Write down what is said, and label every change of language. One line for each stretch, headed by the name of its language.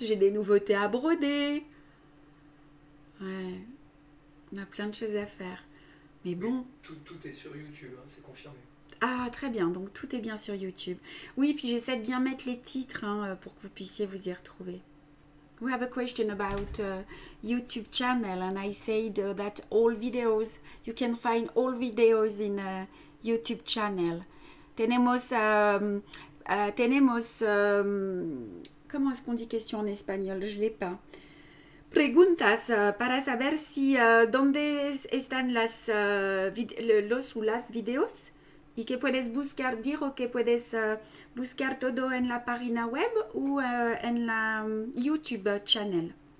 French: J'ai des nouveautés à broder. Ouais. On a plein de choses à faire. Mais bon. Mais tout est sur YouTube, hein, c'est confirmé. Ah, très bien. Donc, tout est bien sur YouTube. Oui, puis j'essaie de bien mettre les titres hein, pour que vous puissiez vous y retrouver.
English: We have a question about YouTube channel, and I said that all videos, you can find all videos in YouTube channel.
Spanish: Tenemos,
French: comment est-ce qu'on dit question en espagnol? Je ne l'ai pas.
Spanish: Preguntas para saber si, donde están las, los o las videos? Y que puedes buscar, digo que puedes buscar todo en la página web
French: ou
Spanish: en la
English: YouTube channel.